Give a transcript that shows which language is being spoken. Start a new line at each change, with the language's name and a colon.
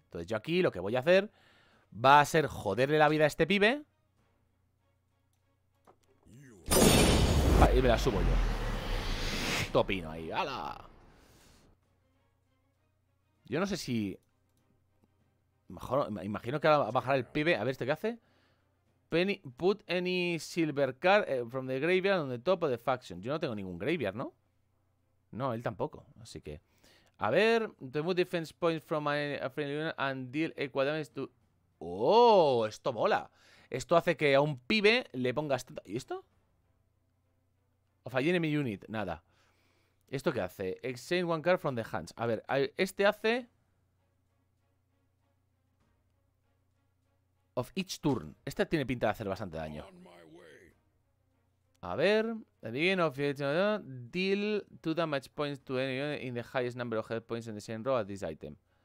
Spanish: Entonces yo aquí lo que voy a hacer va a ser joderle la vida a este pibe. Vale, y me la subo yo. Topino ahí, ¡hala! Yo no sé si... Mejor, imagino que va a bajar el pibe, a ver este qué hace.
English: Put any silver card from the graveyard on the top of the faction.
Spanish: Yo no tengo ningún graveyard, ¿no? No, él tampoco. Así que... A ver...
English: Remove defense points from my friendly unit and deal equal damage to... ¡Oh!
Spanish: Esto mola. Esto hace que a un pibe le pongas... ¿Y esto?
English: Of a enemy unit.
Spanish: Nada. ¿Esto qué hace?
English: Exchange one card from the hands.
Spanish: A ver, este hace...
English: Of each turn.
Spanish: Esta tiene pinta de hacer bastante daño. A ver,
English: the beginning of your deal two damage points to anyone in the highest number of health points in the same row at this item.